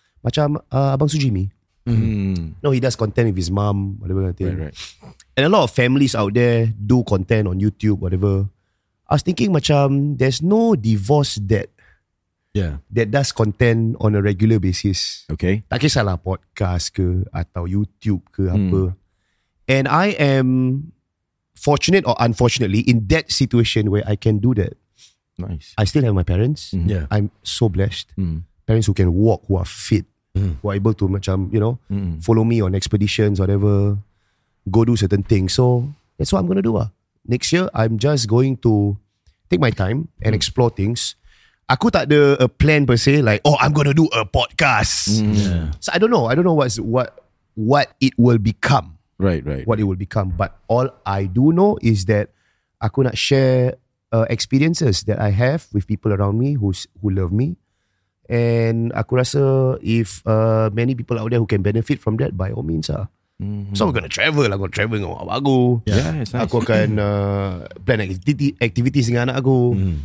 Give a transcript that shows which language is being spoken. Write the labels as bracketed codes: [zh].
[en] Macam Abang Sujimi. No, he does content with his mom, whatever kind of thing. And a lot of families out there do content on YouTube, whatever. I was thinking macam, there's no divorce that that does content on a regular basis. Okay. [ms] Tak kisahlah podcast ke atau YouTube ke apa. [en] And I am fortunate or unfortunately in that situation where I can do that. Nice. I still have my parents. Yeah. I'm so blessed. Parents who can walk, who are fit, who are able to macam, you know, follow me on expeditions, whatever. Go do certain things. So that's what I'm going to do. Next year, I'm just going to take my time and explore things. [ms] Aku tak ada [en] a plan per se, like, oh, I'm going to do a podcast. So I don't know. I don't know what it will become. Right, right. What it will become. But all I do know is that [ms] aku nak [en] share experiences that I have with people around me who love me. And [ms] aku rasa [en] if many people out there who can benefit from that, by all means. So we're going to travel. I'm going to travel [ms] dengan bapak aku. [en] Yeah, [ms] aku akan [en] plan activities [ms] dengan anak aku.